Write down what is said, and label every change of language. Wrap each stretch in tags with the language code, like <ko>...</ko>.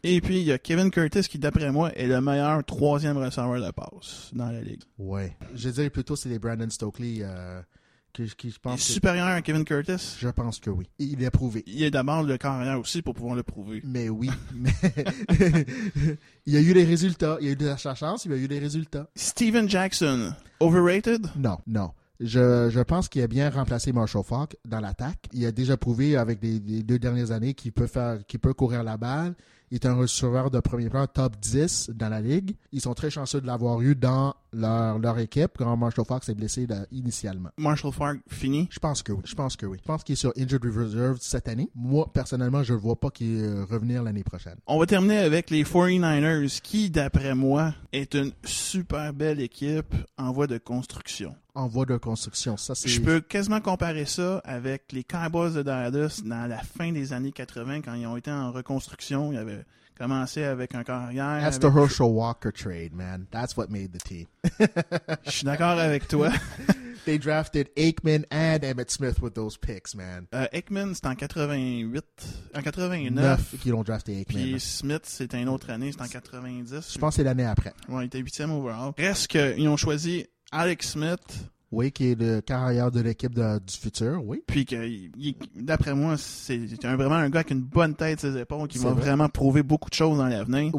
<fr>Et puis, il y a Kevin Curtis qui, d'après moi, est le meilleur troisième receveur de passe dans la ligue. Ouais. Je dirais plutôt que c'est les Brandon Stokely qui je pense. Il est supérieur à Kevin Curtis? Je pense que oui. Il est prouvé. Il est d'abord le carrière aussi pour pouvoir le prouver. Mais oui. Mais il y a eu des résultats. Il y a eu de la chance, il y a eu des résultats. Steven Jackson, overrated? Non, non. Je pense qu'il a bien remplacé Marshall Faulk dans l'attaque. Il a déjà prouvé avec les deux dernières années qu'il peut courir la balle. Il est un receveur de premier plan top 10 dans la ligue. Ils sont très chanceux de l'avoir eu dans leur équipe quand Marshall Faulk s'est blessé initialement. Marshall Faulk fini? Je pense que oui. Je pense qu'il est sur injured reserve cette année. Moi, personnellement, je ne vois pas qu'il revenir l'année prochaine. On va terminer avec les 49ers qui, d'après moi, est une super belle équipe en voie de construction. En voie de construction, ça c'est... Je peux quasiment comparer ça avec les Cowboys de Dallas dans la fin des années 80 quand ils ont été en reconstruction. Ils avaient commencé avec un carrière...</fr> <en>That's the Herschel Walker trade, man. That's what made the team.</en> <fr>Je suis d'accord avec toi.</fr> <en>They drafted Aikman and Emmitt Smith with those picks, man.</en> <fr>Aikman, c'est en 88... En 89. 9 qu'ils ont drafté Aikman. Puis Smith, c'est une autre année, c'est en 90. Je pense que c'est l'année après. Ouais, il était 8e overall. Reste qu'ils ont choisi... Alex Smith. Oui, qui est le carrière de l'équipe du futur, oui. Puis que, d'après moi, c'est vraiment un gars qui a une bonne tête sur ses épaules, qui va vraiment prouver beaucoup de choses dans l'avenir.</fr>